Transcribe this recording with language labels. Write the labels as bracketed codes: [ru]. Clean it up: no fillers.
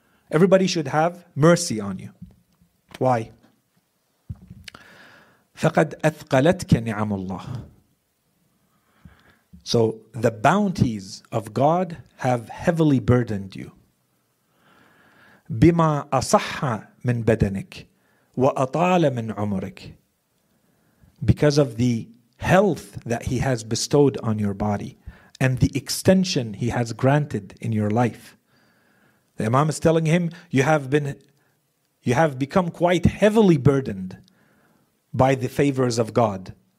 [en] Everybody should have mercy on you. Why? [ar] فَقَدْ أَثْقَلَتْكَ نِعَمُ اللَّهِ. [en] So the bounties of God have heavily burdened you. [ar] بما أصح من بدنك وأطال من عمرك. [en] Because of the health that he has bestowed on your body and the extension he has granted in your life. The Imam is telling him, you have become quite heavily burdened by the favors of God.